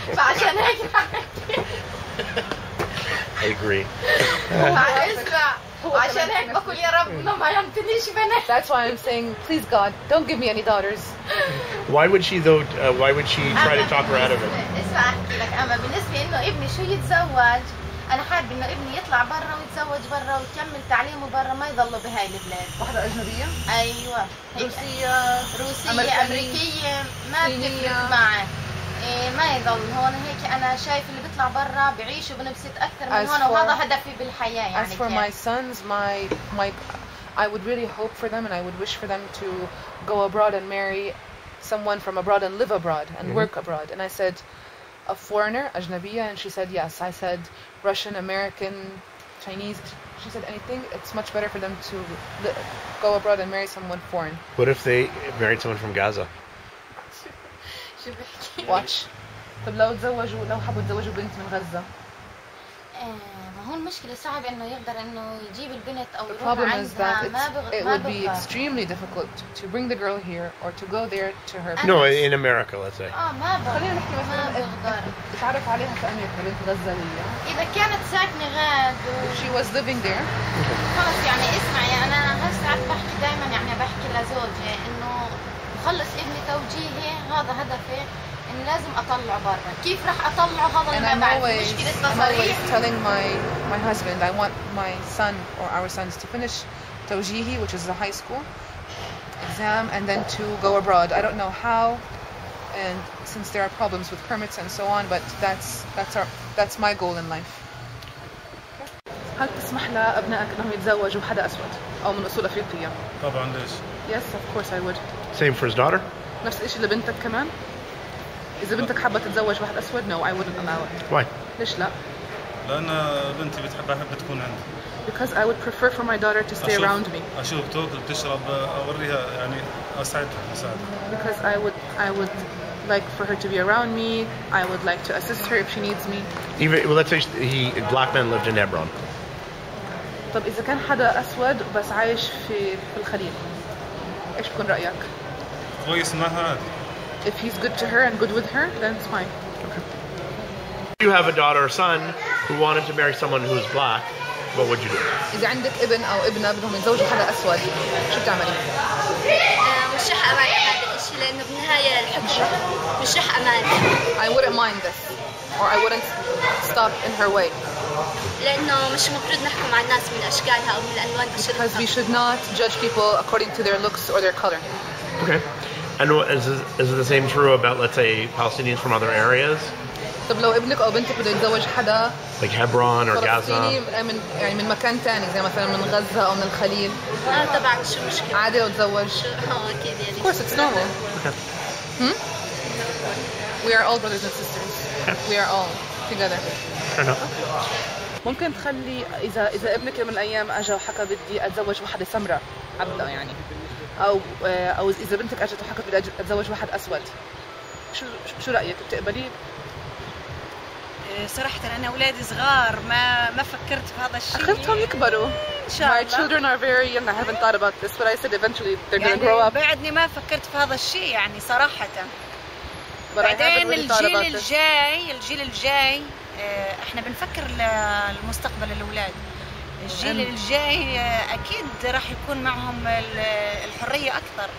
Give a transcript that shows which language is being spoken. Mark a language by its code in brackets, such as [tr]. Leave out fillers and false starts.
[en] I agree. That's why I'm saying, please God, don't give me any daughters. Why would she though? Why would she try to talk her out of it? [ar] انا حابب انه ابني يطلع برا ويتزوج برا ويكمل تعليمه برا ما يضل بهاي البلاد. واحدة اجنبية؟ ايوه روسية أمريكي. امريكية ما بتفرق معي ما يضل هون هيك انا شايف اللي بيطلع برا بعيش وبنبسط اكثر من هون وهذا هدفي بالحياة يعني. [en] As for my sons, I would really hope for them and I would wish for them to go abroad and marry someone from abroad and live abroad and work abroad. And I said a foreigner, ajnabiya, and she said yes. I said Russian, American, Chinese. She said anything. It's much better for them to go abroad and marry someone foreign. What if they married someone from Gaza? Watch. [ar] طب لو تزوجوا لو حبوا يتزوجوا بنت من غزة. ما هو المشكلة صعب إنه يقدر إنه يجيب البنت أو. [en] The problem is that it would be extremely difficult to bring the girl here or to go there to her. No, in America, let's say. [ar] ما بقدر. خلينا نحكي مثلاً. تعرف عليها في أمريكا بنت غزالية. إذا كانت ساكنة غاد. [en] She was living there. [ar] خلص يعني اسمع يعني أنا هسه بحكي دائماً يعني بحكي لزوجي إنه بخلص ابني توجيهي هذا هدفي. إن لازم أطلع برا كيف راح أطلع هذا اللي ما بعد مشكلة تصاريح. [en] I'm telling my husband I want my son or our sons to finish توجيهي which is the high school exam and then to go abroad. I don't know how and since there are problems with permits and so on, but that's my goal in life. [ar] هل تسمح لأبنائك أنهم يتزوجوا حدا أسود أو من أصول أفريقية؟ طبعا ليش. [en] Yes, of course I would. Same for his daughter. [ar] نفس الشيء لبنتك كمان. إذا بنتك حابة تتزوج واحد أسود [en] no I wouldn't allow it. Why? [ar] ليش لا؟ لأن بنتي بتحبها بتكون عندي. [en] Because I would prefer for my daughter to stay around me. [ar] أشوف تأكل تشرب أوريها يعني أساعدها أساعدها. [en] Because I would like for her to be around me. I would like to assist her if she needs me. Even well let's say he a black man lived in Hebron. [ar] طب إذا كان حدا أسود بس عايش في الخليل إيش بكون رأيك؟ كويس معها عادي. [en] If he's good to her and good with her, then it's fine. Okay. If you have a daughter or son who wanted to marry someone who's black, what would you do? [ar] إذا عندك ابن أو ابنة بدهم يتزوجوا حدا أسود، شو بتعملي؟ مش رح أراعي هذا الشيء لأنه بالنهاية الحب مش رح أمانع. [en] I wouldn't mind this. Or I wouldn't stop in her way. [ar] لأنه مش مفروض نحكم على الناس من أشكالها أو من الألوان بشرتها. [en] Because we should not judge people according to their looks or their color. Okay. And is the same true about, let's say, Palestinians from other areas? [ar] طب لو ابنك او بنتك بده يتزوج حدا [en] like Hebron or Gaza [ar] من يعني من مكان تاني زي مثلا من غزة او من الخليل تبعك شو مشكلة عادي لو تزوج اكيد [en] of course it's normal we are all brothers and sisters we are all together [ar] ممكن تخلي اذا ابنك من الايام اجى وحكى بدي اتزوج واحدة سمراء عبدا يعني او اذا بنتك اجت وحكت بدي اتزوج واحد اسود شو رايك بتقبلي صراحه انا اولادي صغار ما فكرت في هذا الشيء اخذتهم يكبروا ان شاء الله [en] my children are very young I haven't thought about this but I said eventually they're [ar] يعني [en] gonna grow up [ar] بعدني ما فكرت في هذا الشيء يعني صراحه بعدين الجيل الجاي احنا بنفكر للمستقبل الاولاد الجيل الجاي اكيد راح يكون معهم الحريه اكثر